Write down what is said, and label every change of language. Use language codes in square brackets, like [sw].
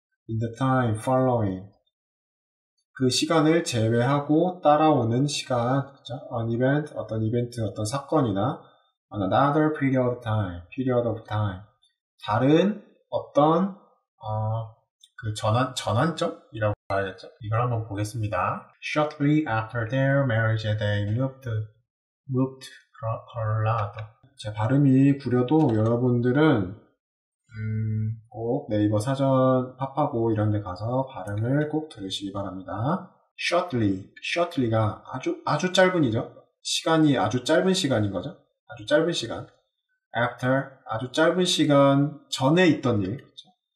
[en] In the time following [ko] 그 시간을 제외하고 따라오는 시간, 그렇죠? [en] An event, [ko] 어떤 사건이나 [en] another period of time [ko] 다른 어떤 그 전환점이라고. 봐야겠죠. 이걸 한번 보겠습니다. [en] Shortly after their marriage, they moved Colorado. [ko] 제 발음이 구려도 여러분들은 꼭 네이버 사전 파파고 이런 데 가서 발음을 꼭 들으시기 바랍니다. Shortly가 아주 아주 짧은이죠. 시간이 아주 짧은 시간인 거죠. 아주 짧은 시간. After 아주 짧은 시간 전에 있던 일. 그렇죠?